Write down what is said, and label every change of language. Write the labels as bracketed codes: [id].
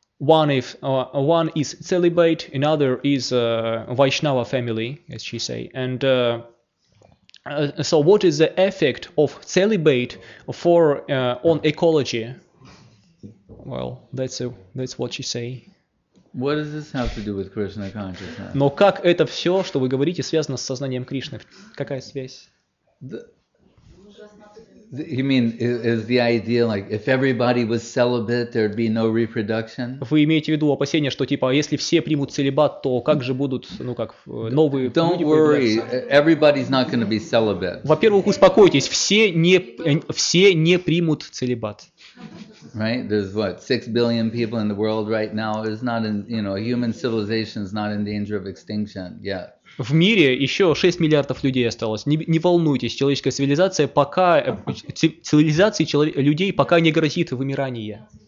[en] One is celibate, another is Vaishnava family, as she say. And so, what is the effect of celibate for on ecology? Well, that's what she say. What does this have to do with Krishna consciousness? [ru] Но как это все, что вы говорите, связано с сознанием Кришны? Какая связь? [en] You mean is the idea like if everybody was celibate, there'd be no reproduction? [ru] Вы имеете в виду опасение, что типа если все примут целибат, то как же будут, ну как новые? [en] Don't worry, everybody's not going to be celibate. [ru] Во-первых, успокойтесь, все не примут целибат. [en] Right? There's what 6 billion people in the world right now. It's not in, you know, human civilization is not in danger of extinction yet. [ru] В мире еще 6 миллиардов людей осталось. Не волнуйтесь, человеческая цивилизация пока цивилизации людей пока не грозит вымирание.